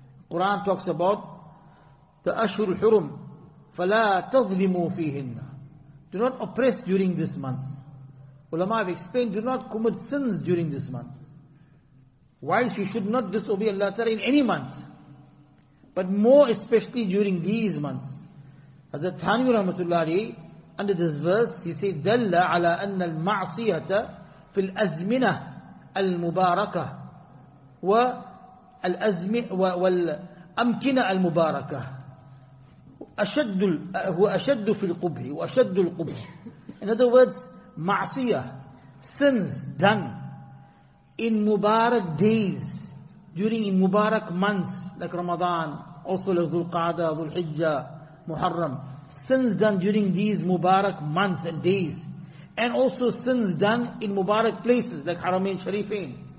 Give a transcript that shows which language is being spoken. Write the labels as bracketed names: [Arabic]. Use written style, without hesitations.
[English] Quran talks about the Ashurul Hurum. [Arabic] فَلَا تَظْلِمُوا فِيهِنَّ. [English] Do not oppress during this month. Ulama have explained, do not commit sins during this month. Why you should not disobey Allah Ta'ala in any month. But more especially during these months. Hazrat Thani Rahmatullahi, under this verse, he said, [Arabic] دَلَّ عَلَىٰ أَنَّ الْمَعْصِيَةَ فِي الْأَزْمِنَةِ الْمُبَارَكَةِ وَالْأَمْكِنَةِ الْمُبَارَكَةِ أشد في القبح وأشد القبح. [English] In other words, ma'asiyah, sins done in Mubarak days, during in Mubarak months, like Ramadan, also like Dhul Qa'dah, Dhul Hijjah, Muharram, sins done during these Mubarak months and days, and also sins done in Mubarak places, like Haramain Sharifain.